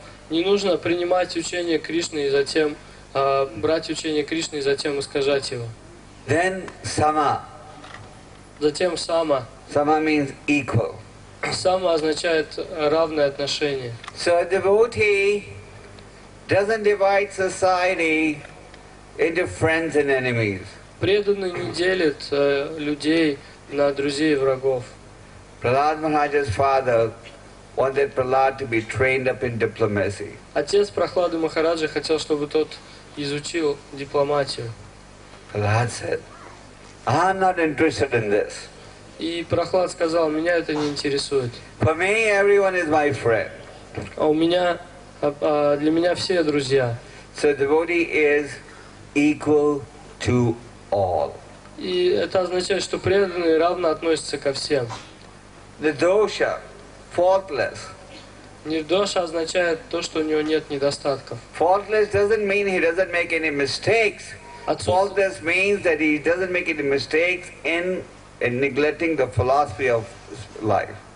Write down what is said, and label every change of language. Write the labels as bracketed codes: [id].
[ru] Не нужно принимать учение Кришны и затем брать учение Кришны и затем искажать его. [en] Then sama. [ru] Затем сама. [en] Sama means equal. [ru] Сама означает равное отношение. [en] So a devotee doesn't divide society into friends and enemies. [ru] Преданный не делит людей на друзей и врагов. [en] Prahlad Maharaj's father wanted Prahlad to be trained up in diplomacy. [ru] Отец Прохлады Махараджа хотел, чтобы тот изучил дипломатию. [en] Prahlad said, "I'm not interested in this." [ru] И Прохлад сказал, меня это не интересует. [en] For me, everyone is my friend. [ru] А у меня, для меня все друзья. [en] So devotee is equal to all. [ru] И это означает, что преданный равно относится ко всем. [en] The dosha, faultless. [ru] Нирдоша означает то, что у него нет недостатков. [en] Faultless doesn't mean he doesn't make any mistakes. Faultless means that he doesn't make any mistakes in neglecting the philosophy of life.